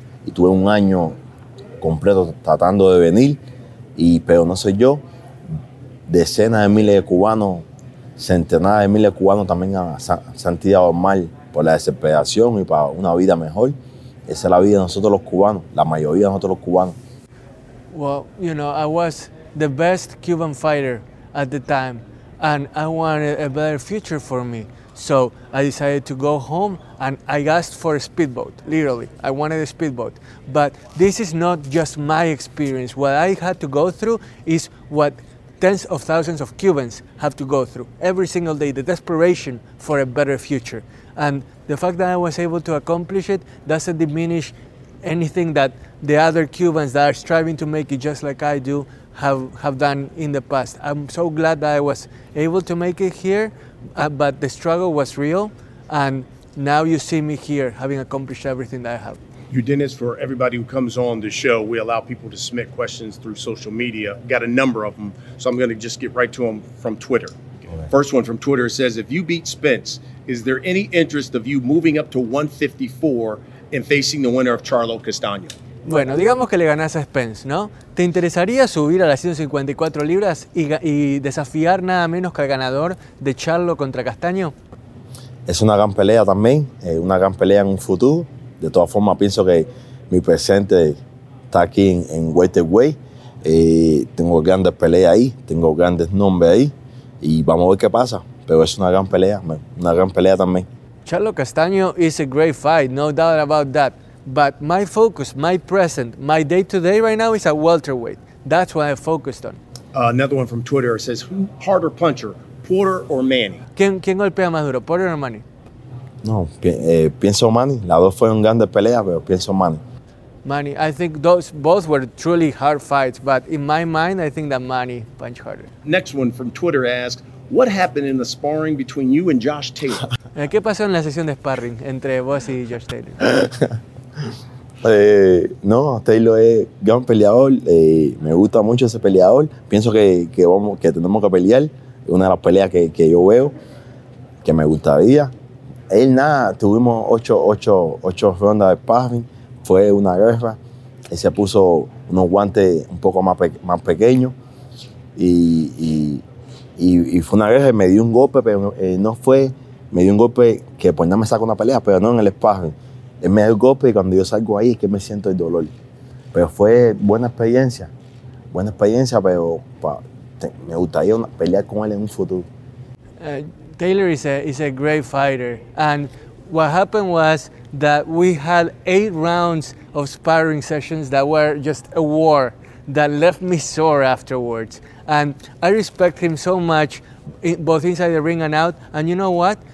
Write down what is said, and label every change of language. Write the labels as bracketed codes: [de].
[es] Y tuve un año completo tratando de venir, pero no soy yo. Decenas de miles de cubanos, centenares de miles de cubanos también se han tirado mal por la desesperación y para una vida mejor. Esa es la vida de nosotros los cubanos, la mayoría de nosotros los cubanos. [en] Well, you know, I was the best Cuban fighter at the time, and I wanted a better future for me. So I decided to go home and I asked for a speedboat, literally. I wanted a speedboat. But this is not just my experience. What I had to go through is what tens of thousands of Cubans have to go through every single day, the desperation for a better future. And the fact that I was able to accomplish it doesn't diminish anything that the other Cubans that are striving to make it just like I do have done in the past. I'm so glad that I was able to make it here. But the struggle was real, and now you see me here having accomplished everything that I have. You, Dennis, for everybody who comes on the show, we allow people to submit questions through social media. Got a number of them, so I'm going to just get right to them from Twitter. Okay. First one from Twitter says, if you beat Spence, is there any interest of you moving up to 154 and facing the winner of Charlo Castaño? [es] Bueno, digamos que le ganas a Spence, ¿no? ¿Te interesaría subir a las 154 libras y desafiar nada menos que al ganador de Charlo contra Castaño? Es una gran pelea también, una gran pelea en un futuro. De todas formas, pienso que mi presente está aquí en Welterweight. Tengo grandes peleas ahí, tengo grandes nombres ahí y vamos a ver qué pasa. Pero es una gran pelea, una gran pelea también. [en] Charlo Castaño is a great fight, no doubt about that. But my focus, my present, my day-to-day right now is at welterweight. That's what I focused on. Another one from Twitter says, who harder puncher, Porter or Manny? [es] ¿Quién golpea más duro, Porter or Manny? No, pienso Manny. Las dos fueron grandes peleas, pero pienso Manny. [en] Manny, I think those both were truly hard fights, but in my mind, I think that Manny punched harder. Next one from Twitter asks, what happened in the sparring between you and Josh Taylor? [es] ¿Qué pasó en la sesión de sparring entre vos y Josh Taylor? No, Taylor es gran peleador, me gusta mucho ese peleador. Pienso que tenemos que pelear, es una de las peleas que yo veo, que me gustaría. Él nada, tuvimos 8 rondas de sparring, fue una guerra. Él se puso unos guantes un poco más pequeños y fue una guerra. Me dio un golpe, pero no fue, me dio un golpe que pues nada me sacó una pelea, pero no en el sparring. Es medio golpe y cuando yo salgo ahí es que me siento el dolor. Pero fue buena experiencia, pero me gustaría pelear con él en un futuro. [en] Taylor is a great fighter. And what happened was that we had 8 rounds of sparring sessions that were just a war that left me sore afterwards. And I respect him so much, both inside the ring and out. And you know what?